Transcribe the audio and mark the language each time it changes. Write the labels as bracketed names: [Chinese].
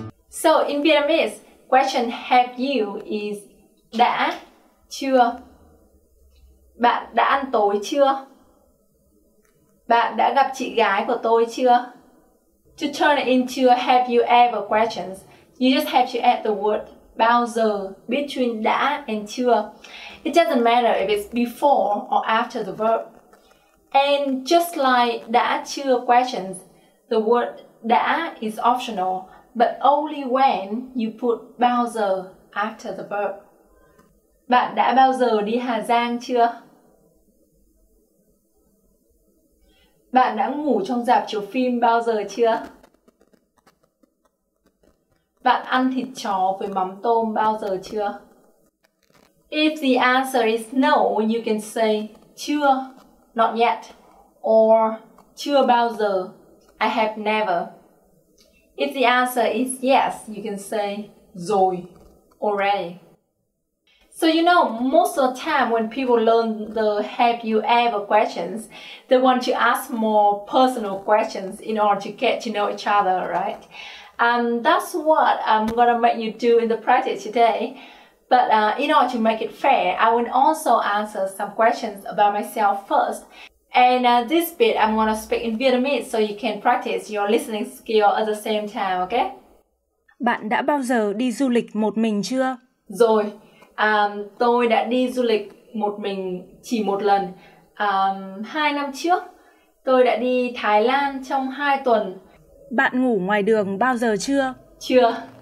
[English] So in Vietnamese, question have you is [Vietnamese] đã chưa? Bạn đã ăn tối chưa? Bạn đã gặp chị gái của tôi chưa? [English] To turn it into a have you ever questions, you just have to add the word bao giờ between đã and chưa. It doesn't matter if it's before or after the verb. And just like đã chưa questions, the word đã is optional, but only when you put bao giờ after the verb. [Vietnamese] Bạn đã bao giờ đi Hà Giang chưa? Bạn đã ngủ trong rạp chiếu phim bao giờ chưa? Bạn ăn thịt chó với mắm tôm bao giờ chưa? [English] If the answer is no, you can say chưa, not yet, or [Vietnamese] chưa bao giờ, [English] I have never. If the answer is yes, you can say rồi, already. So you know, most of the time when people learn the have you ever questions, they want to ask more personal questions in order to get to know each other, right? And that's what I'm gonna make you do in the practice today. But in order to make it fair, I will also answer some questions about myself first. And this bit, I'm gonna speak in Vietnamese so you can practice your listening skill at the same time, okay? [Vietnamese] Bạn đã bao giờ đi du lịch một mình chưa? Rồi, tôi đã đi du lịch một mình chỉ một lần. 2 năm trước, tôi đã đi Thái Lan trong 2 tuần. Bạn ngủ ngoài đường bao giờ chưa? Chưa.